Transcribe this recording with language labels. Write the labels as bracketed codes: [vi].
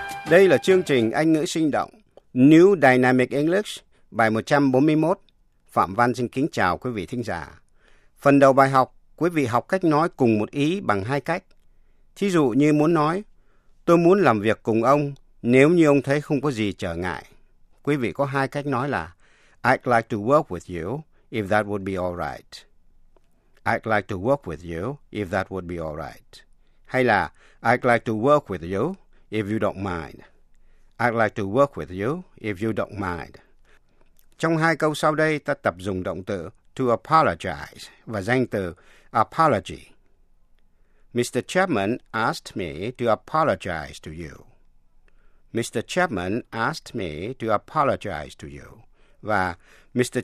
[vi] Đây là chương trình Anh ngữ sinh động New Dynamic English, bài 141. Phạm Văn xin kính chào quý vị thính giả. Phần đầu bài học, quý vị học cách nói cùng một ý bằng hai cách. Thí dụ như muốn nói, tôi muốn làm việc cùng ông nếu như ông thấy không có gì trở ngại. Quý vị có hai cách nói là [en] I'd like to work with you if that would be all right. I'd like to work with you if that would be all right. [vi] Hay là [en] I'd like to work with you if you don't mind. I'd like to work with you if you don't mind. [vi] Trong hai câu sau đây, ta tập dùng động từ to apologize và danh từ apology. [en] Mr. Chapman asked me to apologize to you. Mr. Chapman asked me to apologize to you. [vi] Và [en] Mr.